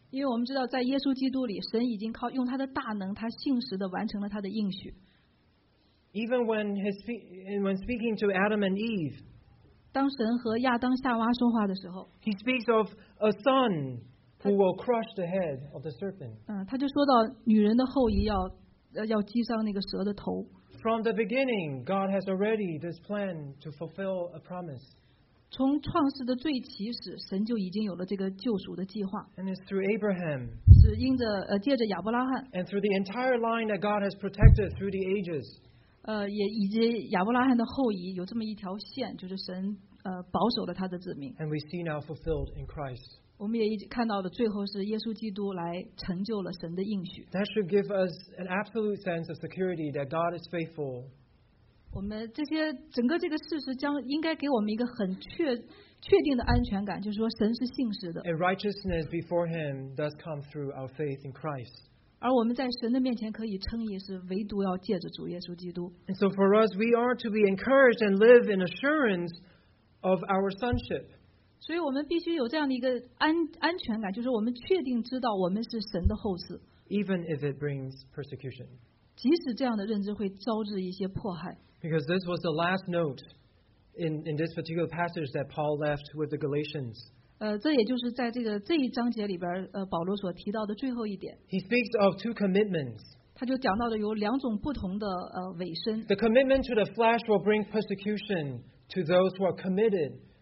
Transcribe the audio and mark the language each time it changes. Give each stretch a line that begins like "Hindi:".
Chinese: 因为我们知道，在耶稣基督里，神已经靠用他的大能，他信实的完成了他的应许。
English: Even when speaking to Adam and Eve,
Chinese: 当神和亚当夏娃说话的时候
English: ，He speaks of a son who will crush the head of the serpent.
Chinese: 他就说到女人的后裔要击伤那个蛇的头。
English: From the beginning, God has already this plan to fulfill a promise.
Chinese: 从创世的最起始，神就已经有了这个救赎的计划。
English: And it's through Abraham.
Chinese: 是因着借着亚伯拉罕。
English: And through the entire line that God has protected through the ages.
Chinese: 也以及亚伯拉罕的后裔有这么一条线，就是神保守了他的子民。
English: And we see now fulfilled in Christ.
Chinese: 我们也看到了最后是耶稣基督来成就了神的应许。
English: That should give us an absolute sense of security that God is faithful.
Chinese: 我们这些整个这个事实将应该给我们一个很确定的安全感，就是说神是信实的。
English: And righteousness before Him does come through our faith in Christ.
Chinese: 而我们在神的面前可以称义，是唯独要借着主耶稣基督。
English: And so for us, we are to be encouraged and live in assurance of our sonship.
Chinese: 所以我们必须有这样的一个安全感，就是我们确定知道我们是神的后嗣。
English: Even if it brings persecution.
Chinese: 即使这样的认知会招致一些迫害。
English: Because this was the last note in this particular passage that Paul left with the Galatians.
Chinese: 这也就是在这一章节里边保罗所提到的最后一点。
English: He speaks of two commitments.
Chinese: 他就讲到了有两种不同的委身。
English: The commitment to the flesh will bring persecution to those who are committed.